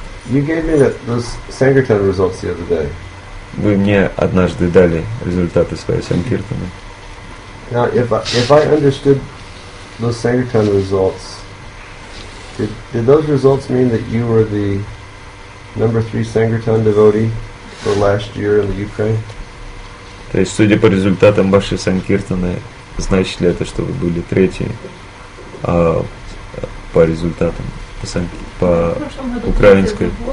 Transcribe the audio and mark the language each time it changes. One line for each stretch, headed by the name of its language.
English: You gave me those Sankirtan results the other day.
Russian: Вы мне однажды дали результаты своей санкиртаны.
English: Now, if I understood those Sankirtan results, did those results mean that you were the number 3 Sankirtan devotee for last year in the Ukraine?
Russian: То есть, судя по результатам вашей санкиртаны, значит ли это, что вы были третьи по результатам по украинской?